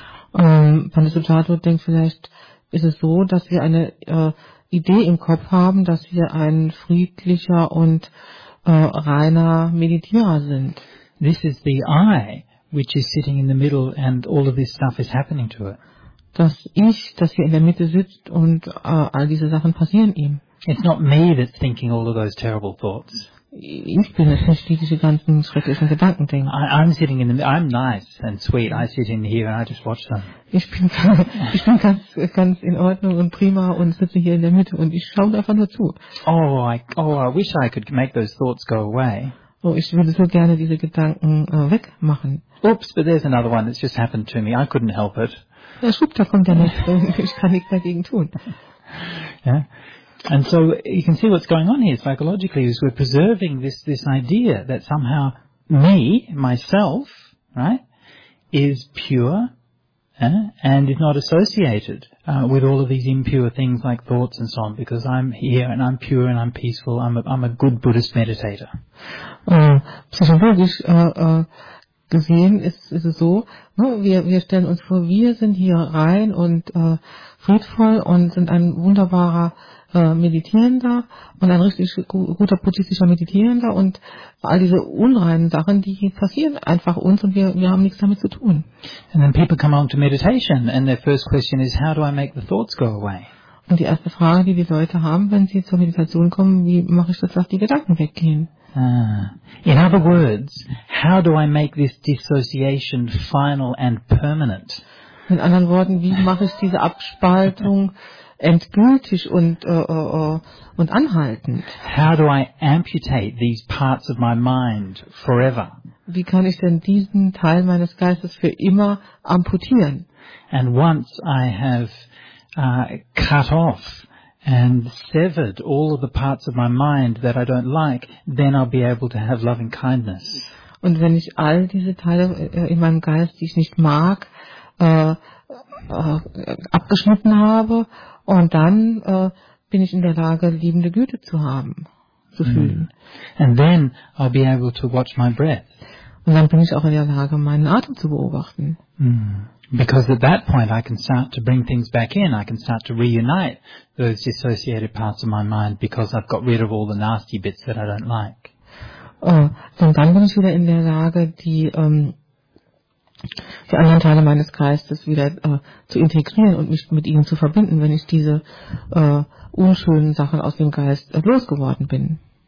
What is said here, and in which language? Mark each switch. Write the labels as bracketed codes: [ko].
[de] Panisuttato denkt vielleicht, ist es so, dass wir eine Idee im Kopf haben, dass wir ein friedlicher und reiner Meditierer sind. [en] This is the I, which is sitting in the middle and all of this stuff is happening to it. [de] Das Ich, das hier in der Mitte sitzt und all diese Sachen passieren ihm. [en] It's not me that's thinking all of those terrible thoughts. [de] Ich bin es nicht, die diese ganzen schrecklichen Gedanken denken. [en] I'm nice and sweet. I sit in here and I just watch them. [de] Ich bin ganz in Ordnung und prima und sitze hier in der Mitte und ich schaue einfach nur zu. [en] Oh, I wish I could make those thoughts go away. [de] Oh, ich würde so gerne diese Gedanken wegmachen. [en] Oops, but there's another one that's just happened to me. I couldn't help it. [de] Ja, schub, da kommt der nächste. Ich kann nichts dagegen tun. Ja. [en] And so you can see what's going on here psychologically is we're preserving this idea that somehow me, myself, right, is pure and is not associated with all of these impure things like thoughts and so on, because I'm here and I'm pure and I'm peaceful, I'm a good Buddhist meditator. [de] Psychologisch gesehen ist es so, ne, wir stellen uns vor, wir sind hier rein und friedvoll und sind ein wunderbarer Meditierender und ein richtig guter buddhistischer Meditierender, und all diese unreinen Sachen, die passieren einfach uns, und wir haben nichts damit zu tun. [en] And then people come along to meditation and their first question is, how do I make the thoughts go away? [de] Und die erste Frage, die die Leute haben, wenn sie zur Meditation kommen, wie mache ich das, dass die Gedanken weggehen? [en] In other words, how do I make this dissociation final and permanent? [de] In anderen Worten, wie mache ich diese Abspaltung endgültig und anhaltend? [en] How do I amputate these parts of my mind forever? [de] Wie kann ich denn diesen Teil meines Geistes für immer amputieren? [en] And once I have cut off and severed all of the parts of my mind that I don't like, then I'll be able to have loving kindness. [de] Und wenn ich all diese Teile in meinem Geist, die ich nicht mag, abgeschnitten habe, und dann bin ich in der Lage, liebende Güte zu haben, zu fühlen. [en] And then I'll be able to watch my breath. [de] Und dann bin ich auch in der Lage, meinen Atem zu beobachten. [en] Because at that point I can start to bring things back in. I can start to reunite those dissociated parts of my mind, because I've got rid of all the nasty bits that I don't like. [de] Und dann bin ich wieder in der Lage, die anderen Teile meines Geistes wieder zu integrieren und mich mit ihnen zu verbinden, wenn ich diese unschönen Sachen aus dem Geist losgeworden bin.